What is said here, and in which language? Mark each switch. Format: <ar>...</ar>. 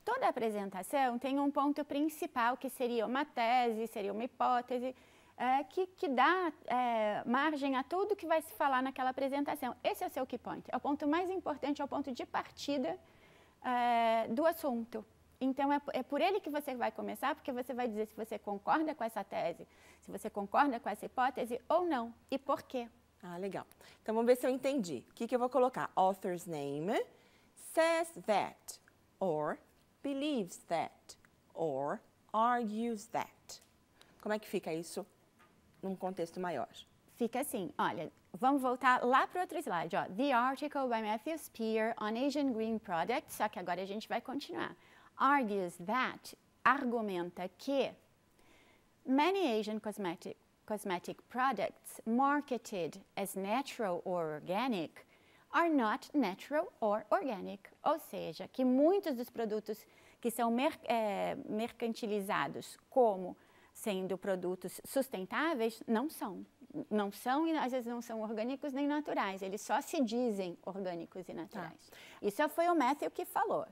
<pt>Toda apresentação tem um ponto principal, que seria uma tese, seria uma hipótese, que dá margem a tudo que vai se falar naquela apresentação. Esse é o seu key point. É o ponto mais importante, é o ponto de partida do assunto. Então, é por ele que você vai começar, porque você vai dizer se você concorda com essa tese, se você concorda com essa hipótese ou não, e por quê. Ah, legal. Então, vamos ver se eu entendi. O que, que eu vou colocar?</pt> <en>Author's name says that, or believes that, or argues that.</en> <pt>Como é que fica isso num contexto maior? Fica assim, olha, vamos voltar lá para o outro slide, ó.</pt> <en>The article by Matthew Spear on Asian Green Products,</en> <pt>só que agora a gente vai continuar.</pt> <en>Argues that,</en> <pt>argumenta que,</pt> <en>many Asian cosmetic products marketed as natural or organic are not natural or organic.</en> <pt>Ou seja, que muitos dos produtos que são mercantilizados como sendo produtos sustentáveis, não são. Não são e às vezes não são orgânicos nem naturais. Eles só se dizem orgânicos e naturais. Tá. Isso foi o Matthew que falou.</pt>